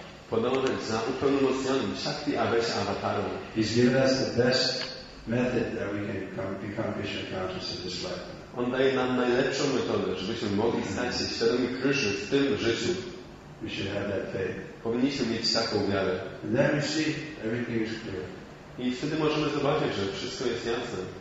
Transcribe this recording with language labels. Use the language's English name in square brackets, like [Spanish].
[Polish] Podążać za upełnomocnionym Shakti Avesha Avataru. [English] He's given us the best method that we can become Krishna conscious in this life. [Polish] On daje nam najlepszą metodę, żebyśmy mogli stać się świadomi Krishna w tym życiu. [English] We should have that faith. [Polish] Powinniśmy mieć taką wiarę. [English] And then we see everything is clear. [Polish] I wtedy możemy zobaczyć, że wszystko jest jasne.